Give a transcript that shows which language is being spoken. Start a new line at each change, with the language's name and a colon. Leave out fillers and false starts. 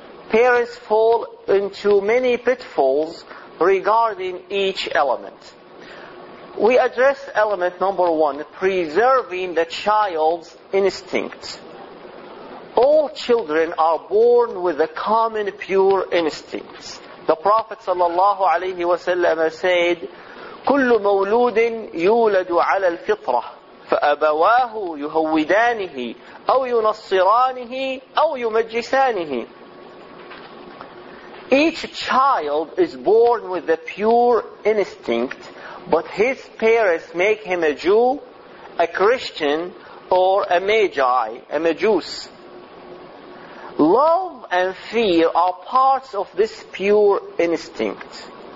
English: Parents fall into many pitfalls regarding each element. We address element number one, preserving the child's instinct. All children are born with a common pure instinct. The Prophet sallallahu alayhi wa sallam said,
Arabic: كُلُّ مَوْلُودٍ يُولَدُ عَلَى الْفِطْرَةِ فَأَبَوَاهُ يُهَوِّدَانِهِ أَوْ يُنَصِّرَانِهِ أَوْ يُمَجِّسَانِهِ.
English: Each child is born with a pure instinct, but his parents make him a Jew, a Christian, or a Magi, a Majus. Love and fear are parts of this pure instinct.